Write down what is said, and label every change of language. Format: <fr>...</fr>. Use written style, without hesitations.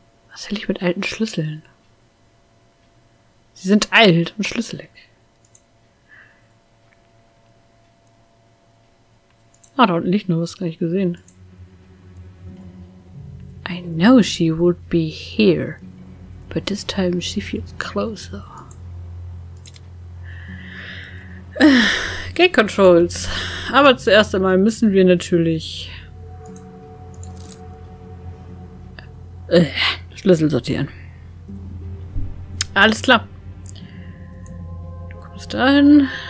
<de>Was will ich mit alten Schlüsseln? Sie sind alt und schlüsselig. Ah, da unten liegt noch was, gar nicht gesehen.</de> <en>I know she would be here. But this time she feels closer. Gate Controls.</en> <de>Aber zuerst einmal müssen wir natürlich Schlüssel sortieren. Alles klar. Du kommst dahin.</de>